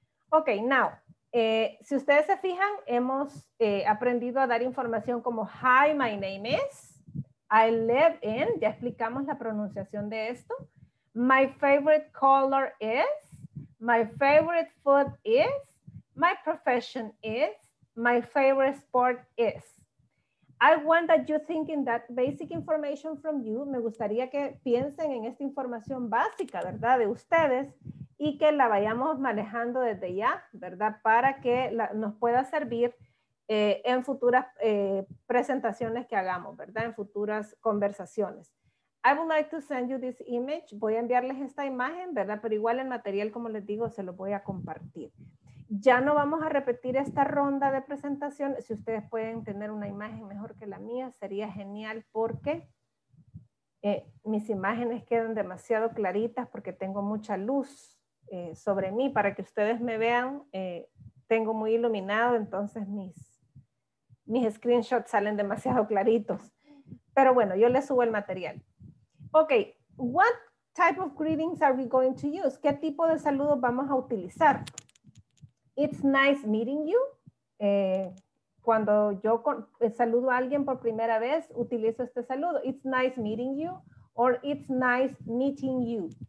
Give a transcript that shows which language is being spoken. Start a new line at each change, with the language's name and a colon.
English: Ok, now,
Spanish: si ustedes se fijan, hemos aprendido a dar información como
English: hi, my name is, I live in,
Spanish: ya explicamos la pronunciación de esto,
English: my favorite color is, my favorite food is, my profession is, my favorite sport is. I want that you think in that basic information from you.
Spanish: Me gustaría que piensen en esta información básica, ¿verdad? De ustedes y que la vayamos manejando desde ya, ¿verdad? Para que nos pueda servir en futuras presentaciones que hagamos, ¿verdad? En futuras conversaciones.
English: I would like to send you this image.
Spanish: Voy a enviarles esta imagen, ¿verdad? Pero igual el material, como les digo, se lo voy a compartir. Ya no vamos a repetir esta ronda de presentación. Si ustedes pueden tener una imagen mejor que la mía, sería genial porque mis imágenes quedan demasiado claritas porque tengo mucha luz sobre mí. Para que ustedes me vean, tengo muy iluminado, entonces mis screenshots salen demasiado claritos. Pero bueno, yo les subo el material.
English: Okay, what type of greetings are we going to use?
Spanish: ¿Qué tipo de saludos vamos a utilizar?
English: It's nice meeting you.
Spanish: Cuando yo saludo a alguien por primera vez, utilizo este saludo.
English: It's nice meeting you or it's nice meeting you.